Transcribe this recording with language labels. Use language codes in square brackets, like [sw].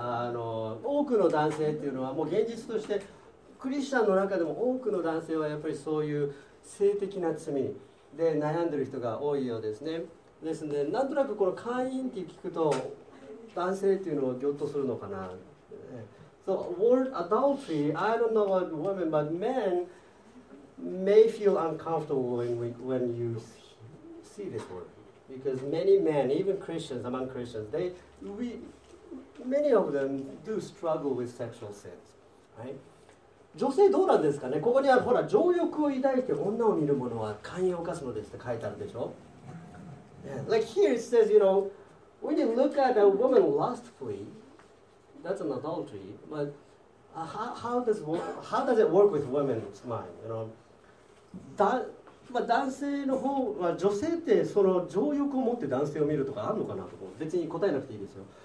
[ja] 多くの男性っていうのはもう現実としてクリスチャンの中でも多くの男性はやっぱりそういう性的な罪で悩んでる人が多いようですね。ですのでなんとなくこの姦淫って聞くと男性っていうのをぎょっとするのかな。 [en] So word adultery, I don't know about women, but men may feel uncomfortable when you see this word, because many men, even Christians, among Christians, many of them do struggle with sexual sins, right? [ja] 女性どうなんですかね。ここにはほら、情欲を抱いて女を見る者は姦淫を犯すのですって書いてあるでしょ。 [en] Like here it says, you know, when you look at a woman lustfully, that's an adultery. But how does it work with women's mind? You know, that. [ja] まあ、男性の方は、女性ってその情欲を持って男性を見るとかあるのかなとか、別に答えなくていいですよ。